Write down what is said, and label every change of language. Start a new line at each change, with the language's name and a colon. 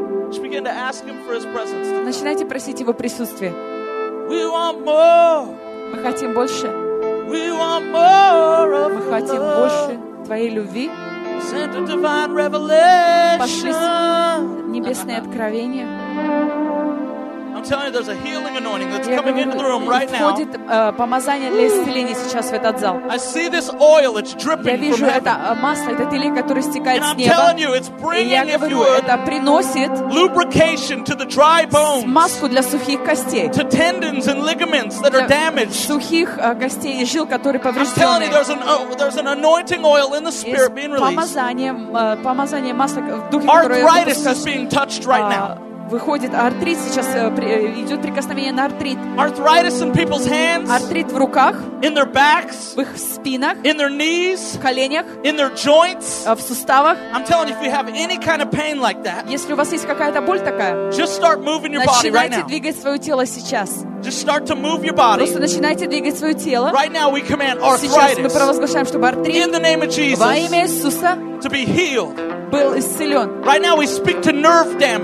English: Just begin to ask him for his presence.
Russian: Начинайте просить его присутствие.
English: We want more.
Russian: Мы хотим больше.
English: We want more of
Russian: мы хотим
English: love.
Russian: Больше твоей любви.
English: Send a divine revelation.
Russian: Пошли небесное откровение.
English: I'm telling you, there's a healing anointing that's coming into the room right now.
Russian: Входит помазание для исцеления сейчас в этот зал.
English: I see this oil, it's dripping from heaven.
Russian: Я вижу это масло, это тлей, которое стекает с неба.
English: And I'm telling you, it's bringing, if you would,
Russian: это приносит
English: lubrication to the dry bones.
Russian: Смазку для сухих костей.
English: To tendons and ligaments that are damaged.
Russian: Сухих костей и жил, которые повреждены.
English: I'm telling you, there's an anointing oil in the spirit being released.
Russian: Помазание масла в духе,
English: arthritis is being touched right now.
Russian: Выходит артрит, сейчас идет прикосновение на артрит.
English: Arthritis in people's hands.
Russian: Артрит в руках.
English: In their backs.
Russian: В их спинах.
English: In their knees.
Russian: В коленях.
English: In their joints.
Russian: В суставах.
English: I'm telling you, if you have any kind of pain like that.
Russian: Если у вас есть какая-то боль такая.
English: Just start moving your
Russian: начинайте
English: body right now.
Russian: Начинайте двигать свое тело сейчас.
English: Just start to move your body.
Russian: Просто начинайте двигать свое тело.
English: Right now we command arthritis.
Russian: Сейчас мы провозглашаем, чтобы артрит.
English: In the name of Jesus.
Russian: Во имя Иисуса.
English: To be healed.
Russian: Был исцелен.
English: Right now we speak to nerve damage.